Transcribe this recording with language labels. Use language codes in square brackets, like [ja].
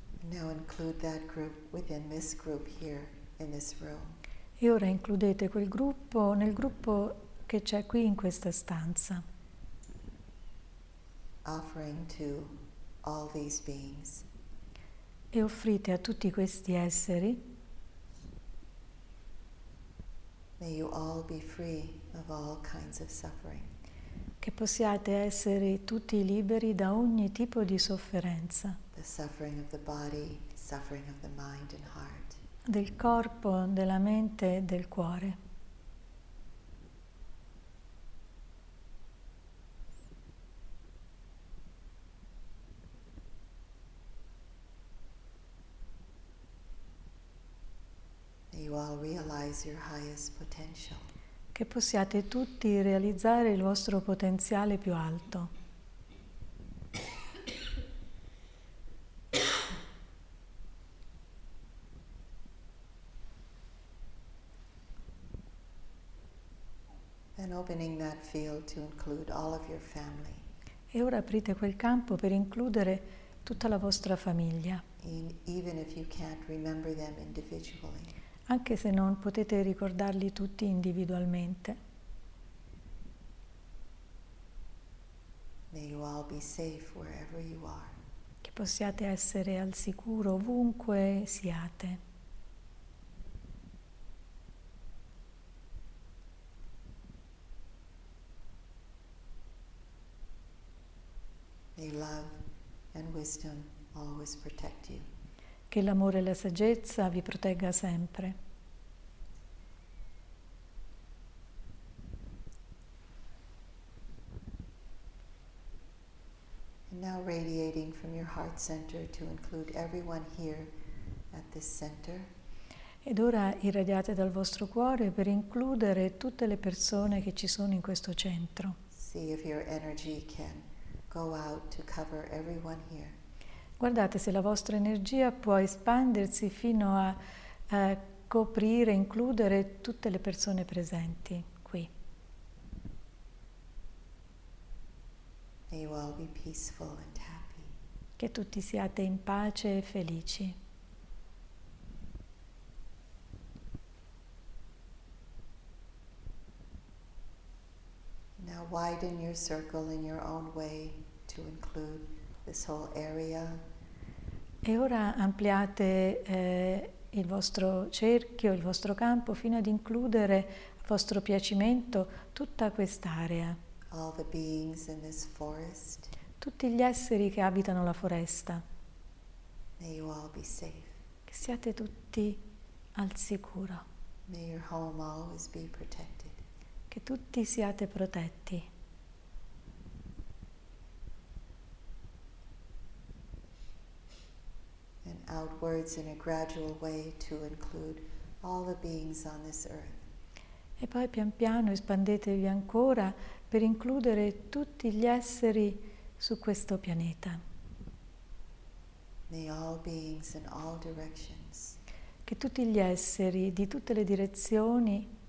[en] Now include that group within this group here in this room. [it] E ora includete quel gruppo nel gruppo che c'è qui in questa stanza. [en] Offering to all these beings. [it] E offrite a tutti questi esseri. [en] May you all be free of all kinds of suffering. [it] Che possiate essere tutti liberi da ogni tipo di sofferenza. [en] The suffering of the body, suffering of the mind and heart. [it] Del corpo, della mente, del cuore. [en] May you all realize your highest potential. [it] Che possiate tutti realizzare il vostro potenziale più alto. [en] And opening that field to include all of your family. [it] E ora aprite quel campo per includere tutta la vostra famiglia. [en] Even if you can't remember them individually. [it] Anche se non potete ricordarli tutti individualmente. [en] May you all be safe wherever you are. [it] Che possiate essere al sicuro ovunque siate. [en] May love and wisdom always protect you. [it] Che l'amore e la saggezza vi protegga sempre. [en] And now radiating from your heart center to include everyone here at this center. [it] Ed ora irradiate dal vostro cuore per includere tutte le persone che ci sono in questo centro. [en] See if your energy can go out to cover everyone here. [it] Guardate se la vostra energia può espandersi fino a coprire, includere tutte le persone presenti qui. [en] May you all be peaceful and happy. [it] Che tutti siate in pace e felici. [en] Now widen your circle in your own way to include this whole area. [it] E ora ampliate il vostro cerchio, il vostro campo, fino ad includere a vostro piacimento tutta quest'area. [en] All the beings in this forest. [it] Tutti gli esseri che abitano la foresta. [en] May you all be safe. [it] Siate tutti al sicuro. [en] May your home always be protected. [it] Che tutti siate protetti. [en] And outwards in a gradual way to include all the beings on this earth. [it] E poi pian piano espandetevi ancora per includere tutti gli esseri su questo pianeta. [en] May all beings in all directions [it] che tutti gli esseri di tutte le direzioni